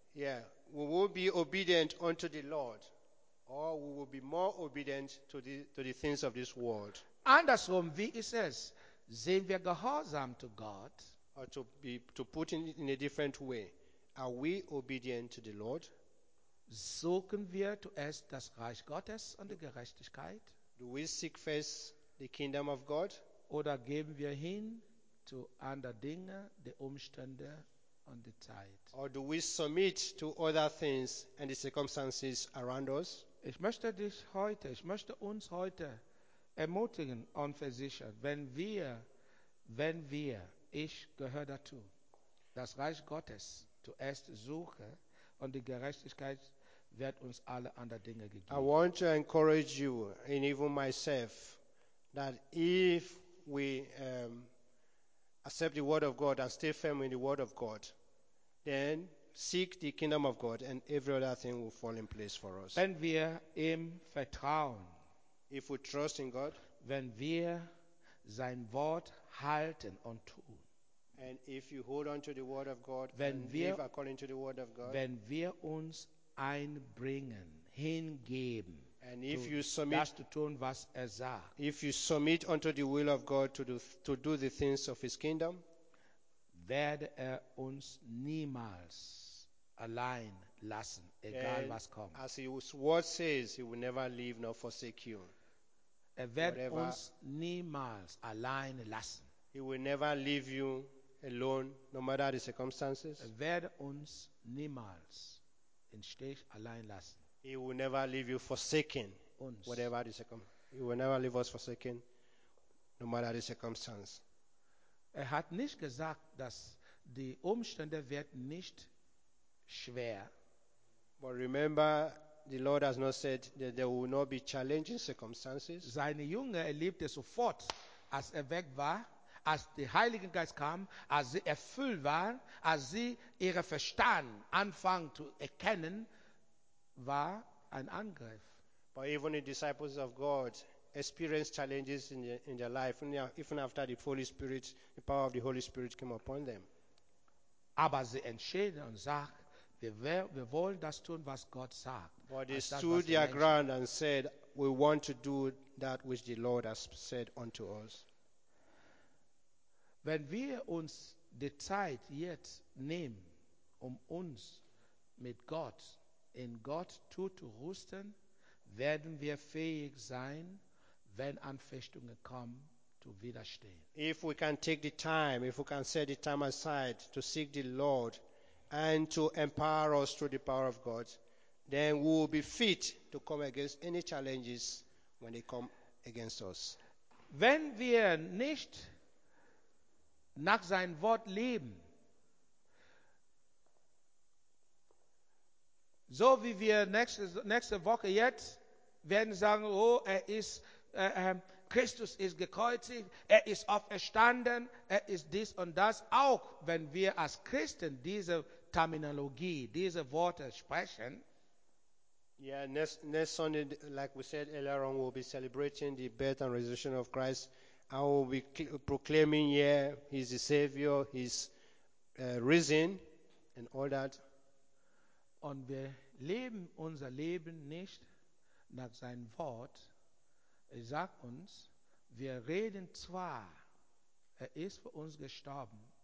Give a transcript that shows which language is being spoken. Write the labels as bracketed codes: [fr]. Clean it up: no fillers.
[en] Okay. Yeah, we will be obedient unto the Lord, or we will be more obedient to the things of this world. [de] Andersrum, wie ist es? Sind wir gehorsam zu Gott? [en] Or to put it in a different way, are we obedient to the Lord? [de] Suchen wir zuerst das Reich Gottes und die Gerechtigkeit? [en] Do we seek first the kingdom of God? [de] Oder geben wir hin zu anderen Dingen, die Umstände und die Zeit? [en] Or do we submit to other things and the circumstances around us? [de] Ich möchte uns heute ermutigen und versichern, wenn wir, ich gehöre dazu, das Reich Gottes zuerst suche und die Gerechtigkeit wird uns alle anderen Dinge gegeben. [en] I want to encourage you, and even myself, that if we accept the word of God and stay firm in the word of God, then seek the kingdom of God and every other thing will fall in place for us. [de] Wenn wir ihm vertrauen, [en] if we trust in God, [de] wenn wir sein Wort halten und tun. [en] And if you hold on to the word of God, [de] wenn wir, [en] live according to the word of God, [de] wenn wir uns einbringen, hingeben, [en] and if you submit, [de] das zu tun, was er sagt, [en] if you submit unto the will of God to do the things of his kingdom, [de] werde er uns niemals allein lassen, egal and was kommt. [en] As his word says, he will never leave nor forsake you. [de] Er wird [en] whatever, [de] uns niemals allein lassen. [en] He will never leave you alone, no matter the circumstances. [de] Er wird uns niemals im Stich allein lassen. [en] He will never leave you forsaken, [de] uns. [en] Whatever the circumstances. He will never leave us forsaken, no matter the circumstances. [de] Er hat nicht gesagt, dass die Umstände wird nicht schwer. [en] But remember, the Lord has not said that there will not be challenging circumstances. [de] Seine Jünger erlebte sofort, als er weg war, als der Heilige Geist kam, als sie erfüllt waren, als sie ihren Verstand anfangen zu erkennen, war ein Angriff. [en] But even the disciples of God experienced challenges in their life, even after the Holy Spirit, the power of the Holy Spirit came upon them. [de] Aber sie entschieden und sagten, wir wollen das tun, was Gott sagt. [en] But they stood their ground and said, we want to do that which the Lord has said unto us. [de] Wenn wir uns die Zeit jetzt nehmen, um uns mit Gott in Gott zuzurüsten, werden wir fähig sein, wenn Anfechtungen kommen, zu widerstehen. [en] If we can take the time, if we can set the time aside to seek the Lord, and to empower us through the power of God, then we will be fit to come against any challenges when they come against us. [de] Wenn wir nicht nach sein Wort leben, so wie wir nächste Woche jetzt werden sagen, oh, er ist Christus ist gekreuzigt, er ist auferstanden, er ist dies und das, auch wenn wir als Christen diese Terminologie, diese Worte sprechen. [en] Yeah, next Sunday, like we said earlier on, we'll be celebrating the birth and resurrection of Christ. I will be proclaiming, yeah, he's the Savior, he's risen, and all that. [de] Und wir leben unser Leben nicht nach seinem Wort. Er sagt uns, wir reden zwar, er ist für uns gestorben.